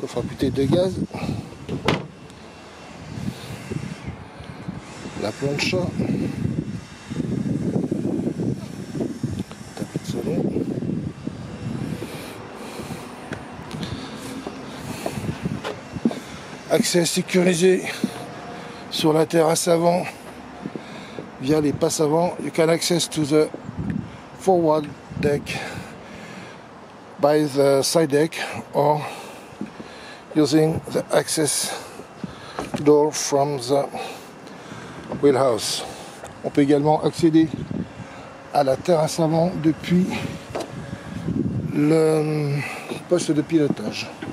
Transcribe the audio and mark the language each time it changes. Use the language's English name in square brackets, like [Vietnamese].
[French] Bouteille de gaz, la planche, tapis de soleil, accès sécurisé sur la terrasse avant via les passes avant. [English] You can access to the forward deck by the side deck or using the access door from the wheelhouse. [French] On peut également accéder à la terrasse avant depuis le poste de pilotage.